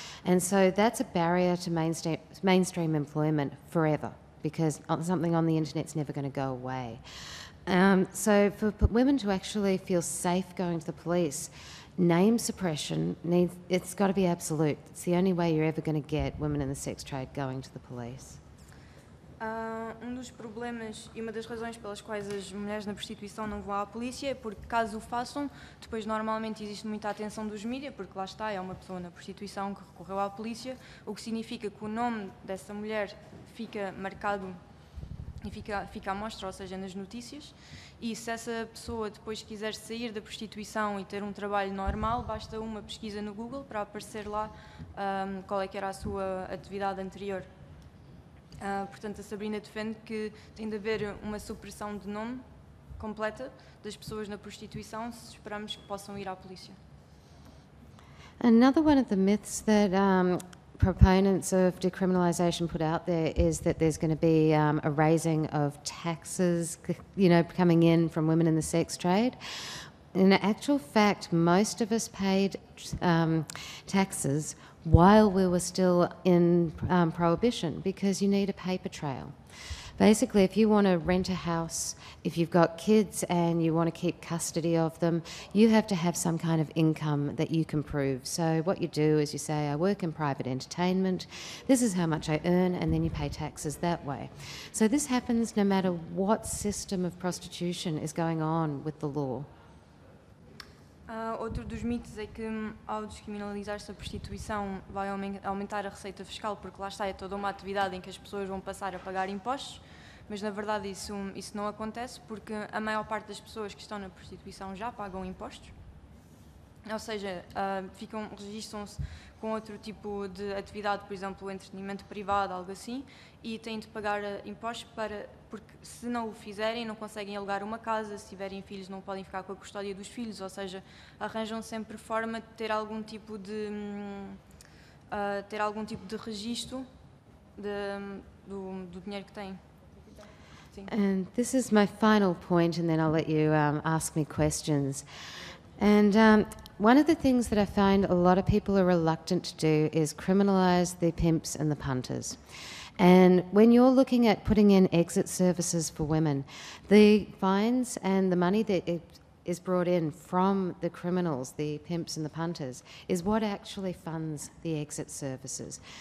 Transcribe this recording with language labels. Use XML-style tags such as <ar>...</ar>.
<en>And so that's a barrier to mainstream employment forever, because something on the internet's never going to go away. So for women to actually feel safe going to the police, name suppression needs, it's got to be absolute. It's the only way you're ever going to get women in the sex trade going to the police.</en> <pt>Um dos problemas e uma das razões pelas quais as mulheres na prostituição não vão à polícia é porque, caso o façam, depois normalmente existe muita atenção dos mídia, porque lá está, é uma pessoa na prostituição que recorreu à polícia, o que significa que o nome dessa mulher fica marcado e fica à mostra, ou seja, nas notícias. E se essa pessoa depois quiser sair da prostituição e ter um trabalho normal, basta uma pesquisa no Google para aparecer lá qual é que era a sua atividade anterior. Portanto, a Sabrina defende que tem de haver uma supressão de nome completa das pessoas na prostituição, se esperamos que possam ir à polícia.</pt> <en>Another one of the myths that proponents of decriminalization put out there is that there's going to be a raising of taxes, you know, coming in from women in the sex trade. In actual fact, most of us paid taxes while we were still in prohibition, because you need a paper trail. Basically, if you want to rent a house, if you've got kids and you want to keep custody of them, you have to have some kind of income that you can prove. So what you do is you say, I work in private entertainment, this is how much I earn, and then you pay taxes that way. So this happens no matter what system of prostitution is going on with the law.</en> <pt>Outro dos mitos é que, ao descriminalizar-se a prostituição, vai aumentar a receita fiscal, porque lá está, é toda uma atividade em que as pessoas vão passar a pagar impostos, mas na verdade isso não acontece, porque a maior parte das pessoas que estão na prostituição já pagam impostos, ou seja, registram-se com outro tipo de atividade, por exemplo, entretenimento privado, algo assim, e têm de pagar impostos porque se não o fizerem, não conseguem alugar uma casa, se tiverem filhos não podem ficar com a custódia dos filhos, ou seja, arranjam sempre forma de ter algum tipo de registro do dinheiro que têm. Sim.</pt> <en>And this is my final point, and then I'll let you ask me questions. And one of the things that I find a lot of people are reluctant to do is criminalize the pimps and the punters. And when you're looking at putting in exit services for women, the fines and the money that is brought in from the criminals, the pimps and the punters, is what actually funds the exit services.</en>